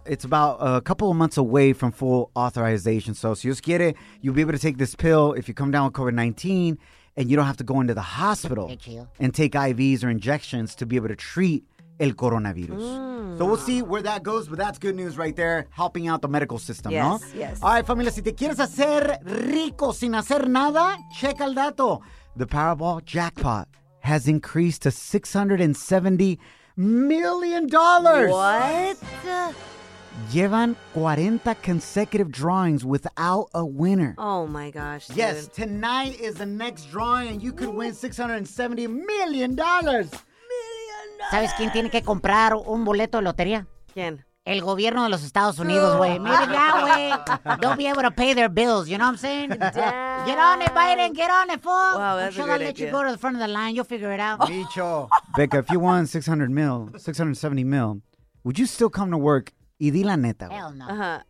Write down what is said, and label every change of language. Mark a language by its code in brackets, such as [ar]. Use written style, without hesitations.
[en] It's about a couple of months away from full authorization. So [es] si Dios quiere, [en] you'll be able to take this pill if you come down with COVID-19. And you don't have to go into the hospital and take IVs or injections to be able to treat el coronavirus. So we'll see where that goes, but that's good news right there, helping out the medical system, yes, no? Yes, yes. All right, [es] familia, si te quieres hacer rico sin hacer nada, checa el dato. [en] The Powerball jackpot has increased to $670 million. What? Llevan 40 consecutive drawings without a winner. Oh, my gosh. Yes, dude. Tonight is the next drawing, and you could win $670 million. $1 million. [es] ¿Sabes quién tiene que comprar un boleto de lotería? ¿Quién? El gobierno de los Estados Unidos, güey. Mira ya, güey. [en] Don't be able to pay their bills, you know what I'm saying? Damn. Get on it, Biden. Get on it, fool. Wow, that's I'm sure they'll let you go to the front of the line. You'll figure it out. Micho. Becca, if you won $670 million, would you still come to work? [es] Y di la neta. [en] Hell no.